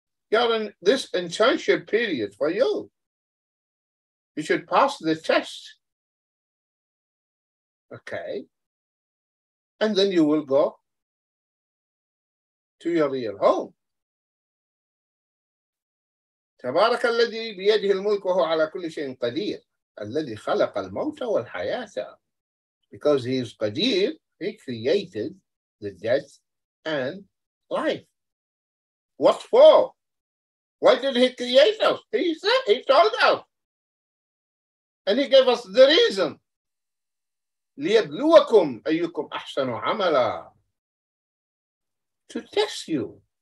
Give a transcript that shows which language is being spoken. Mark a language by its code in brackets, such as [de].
[en] You're in this internship period for you. You should pass the test. Okay. And then you will go to your real home. [ar] تبارك الذي بيده الملك وهو على كل شيء قدير الذي خلق الموت والحياة. [en] Because he is قدير, he created the death and life. What for? Why did he create us? He said, he told us. And he gave us the reason. [ar] ليبلوكم أيكم أحسن عملا. [en] To test you.